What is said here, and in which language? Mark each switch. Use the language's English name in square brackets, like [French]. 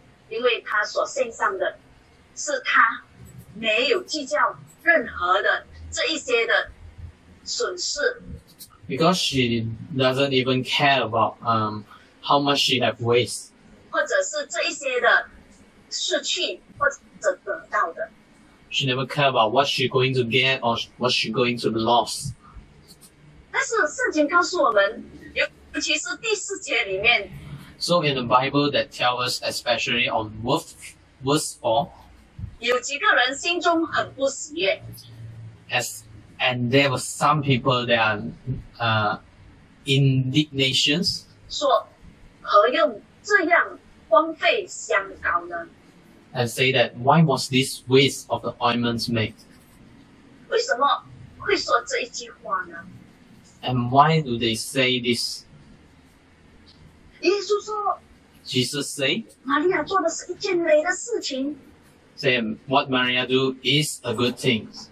[Chinese] 因为他所献上的是他没有计较任何的这一些的损失。 [English] Because she doesn't even care about how much she have waste. [Chinese] 或者是这一些的失去或者得到的。 [English] She never care about what she's going to get or what she's going to lose. [Chinese] 但是圣经告诉我们，尤其是第四节里面。 [English] So in the Bible that tells us especially on verse 4, [Chinese] 有几个人心中很不喜悦。 [English] And there were some people that are indignations. [Chinese] 说何用这样荒废香膏呢? [English] And say that why was this waste of the ointments made? [Chinese] 为什么会说这一句话呢? [English] And why do they say this? [Chinese] 耶稣说, [English] Jesus said, [Chinese] 玛利亚做的是一件美的事情, [English] say, what Maria do is a good thing.